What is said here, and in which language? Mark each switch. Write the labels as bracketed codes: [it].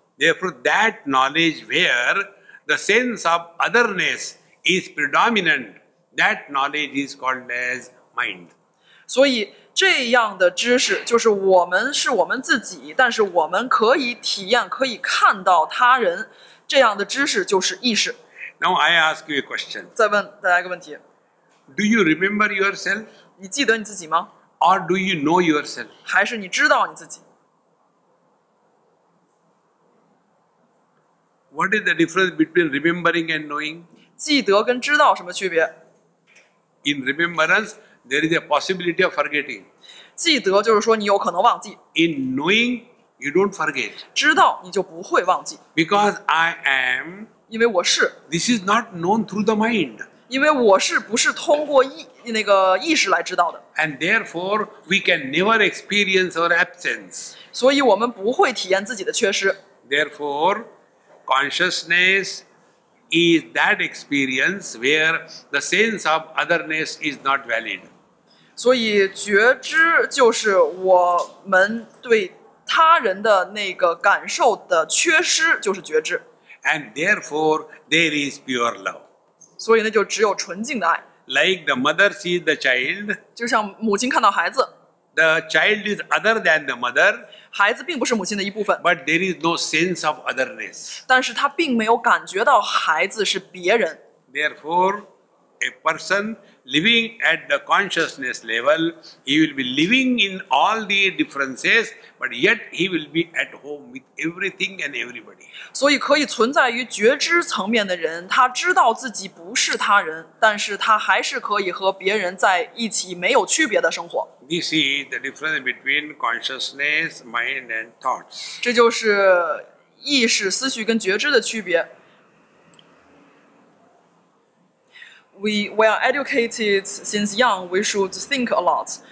[en] Therefore, that knowledge where the sense of otherness is predominant, that knowledge is called as mind. [zh] 所以这样的知识就是我们是我们自己，但是我们可以体验，可以看到他人。这样的知识就是意识。 [en] Now I ask you a question. [zh] 再问大家一个问题。 [en] Do you remember yourself? [zh] 你记得你自己吗？ [en] Or do you know yourself? [zh] 还是你知道你自己？ [en] What is the difference between remembering and knowing? [zh] 记得跟知道什么区别？ [en] In remembrance, there is a possibility of forgetting. [zh] 记得就是说你有可能忘记。 [en] In knowing,You don't forget. [zh] 知道你就不会忘记。 [en] Because I am. [zh] 因为我是。 [en] This is not known through the mind. [zh] 因为我是不是通过意识来知道的。 [en] And therefore, we can never experience our absence. [zh] 所以我们不会体验自己的缺失。 [en] Therefore, consciousness is that experience where the sense of otherness is not valid. [zh] 所以觉知就是我们对他人的那个感受的缺失就是觉知。 [en] And therefore, there is pure love. [zh] 所以呢，就只有纯净的爱。 [en] Like the mother sees the child. [zh] 就像母亲看到孩子。 [en] The child is other than the mother. [zh] 孩子并不是母亲的一部分。 [en] But there is no sense of otherness. [zh] 但是他并没有感觉到孩子是别人。 [en] Therefore, a person living at the consciousness level, he will be living in all the differences, but yet he will be at home with everything and everybody. [zh] 所以可以存在于觉知层面的人，他知道自己不是他人，但是他还是可以和别人在一起没有区别的生活。 [en] This is the difference between consciousness, mind and thoughts. [zh] 这就是意识、思绪跟觉知的区别。 [en] We were educated since young, we should think a lot.